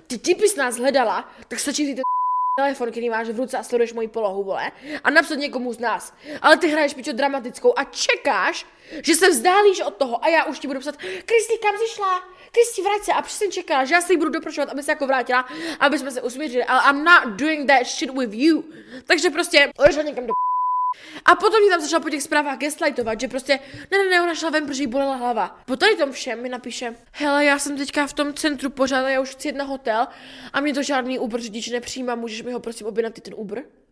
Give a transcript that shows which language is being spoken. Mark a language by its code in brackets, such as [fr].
[cs] Ty bys nás hledala, tak stačí ty telefon, který máš v ruce a sleduješ moji polohu, vole, a napsat někomu z nás. Ale ty hraješ, pičo, dramatickou a čekáš, že se vzdálíš od toho a já už ti budu psat, Kristý, kam jsi šla? Kristý, vrať se. A přesně čekala, že já se jí budu doprošovat, aby se jako vrátila, aby jsme se usmířili. [en] Ale I'm not doing that shit with you. [cs] Takže prostě, odešla někam do A potom mi tam začala po těch zprávách gaslightovat, že prostě, ne, ona šla ven, protože jí bolela hlava. Po tady tom všem mi napíše, hele, já jsem teďka v tom centru pořád a já už chci jít na hotel a mě to žádný Uber řidič nepřijímá, můžeš mi ho prosím objednat ty ten Uber?